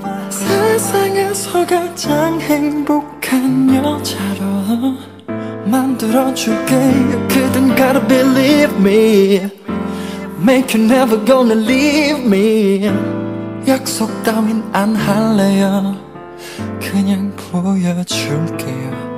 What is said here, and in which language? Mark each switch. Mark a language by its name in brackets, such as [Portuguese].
[Korean] 세상에서 가장 행복한 여자로 만들어줄게요. [English] 그댄 gotta believe me, make you never gonna leave me. [Korean] 약속 따윈 안 할래요, 그냥 보여줄게요.